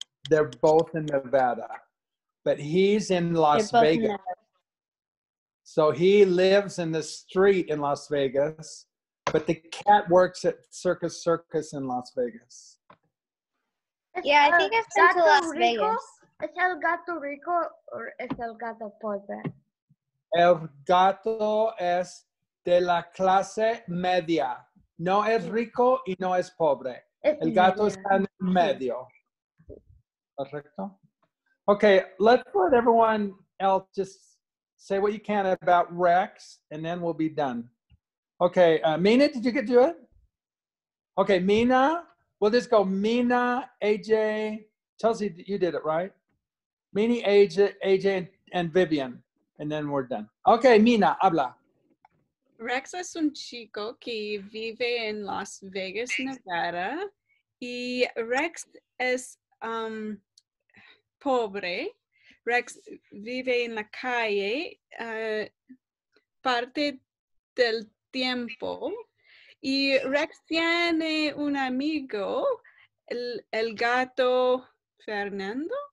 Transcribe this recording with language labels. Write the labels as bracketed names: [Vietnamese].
[English] They're both in Nevada, but he's in Las Vegas. So he lives in the street in Las Vegas, But the cat works at Circus Circus in Las Vegas. Yeah, I think it's been to Las Vegas. [Spanish] Es el gato rico [English] or [Spanish] es el gato pobre? El gato es de la clase media. No es rico y no es pobre. El gato está en medio. Correcto. [English] Okay, let's let everyone else just say what you can about Rex, and then we'll be done. Okay, Mina, did you get to it? Okay, Mina, we'll just go Mina, AJ, Chelsea, you did it, right? Mina, AJ, and Vivian, and then we're done. [Spanish] Okay, Mina, habla. Rex es un chico que vive en Las Vegas, Nevada, y Rex es pobre. Rex vive en la calle parte del tiempo, y Rex tiene un amigo, el gato Fernando.